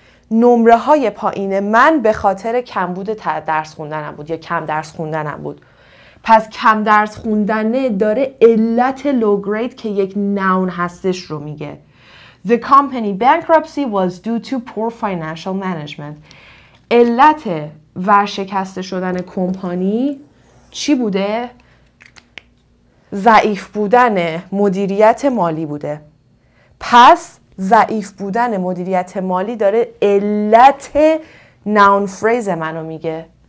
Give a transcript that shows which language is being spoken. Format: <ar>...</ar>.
<fa>نمره های پایین من به خاطر کمبود درس خوندنم بود یا کم درس خوندنم بود. پس کم درس خوندنه داره علت low grade که یک noun هستش رو میگه.</fa> <en>The company bankruptcy was due to poor financial management.</en> <fa>علت ورشکسته شدن کمپانی چی بوده؟ ضعیف بودن مدیریت مالی بوده. پس ضعیف بودن مدیریت مالی داره علت noun phrase منو میگه.</fa>